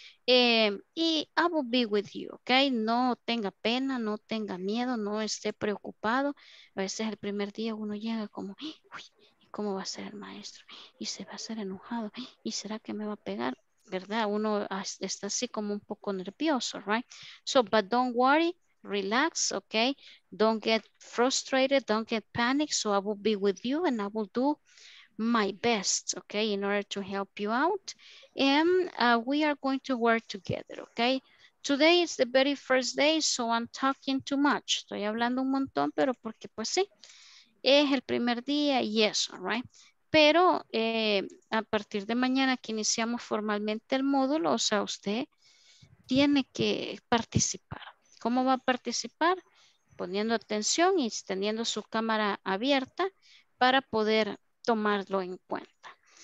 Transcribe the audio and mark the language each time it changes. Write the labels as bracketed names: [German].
[Spanish] Y [English] I will be with you, [Spanish] ok, no tenga pena, no tenga miedo, no esté preocupado. A veces el primer día uno llega como, uy, ¿cómo va a ser el maestro? Y se va a ser enojado, y será que me va a pegar, ¿verdad? Uno está así como un poco nervioso, right? [English] So, but don't worry, relax, ok, don't get frustrated, don't get panicked. So I will be with you and I will do my best, okay, in order to help you out, and we are going to work together, okay. Today is the very first day, so I'm talking too much. [Spanish] Estoy hablando un montón, pero porque pues sí, es el primer día y eso, right? pero a partir de mañana que iniciamos formalmente el módulo, o sea, usted tiene que participar. ¿Cómo va a participar? Poniendo atención y teniendo su cámara abierta para poder tomarlo en cuenta.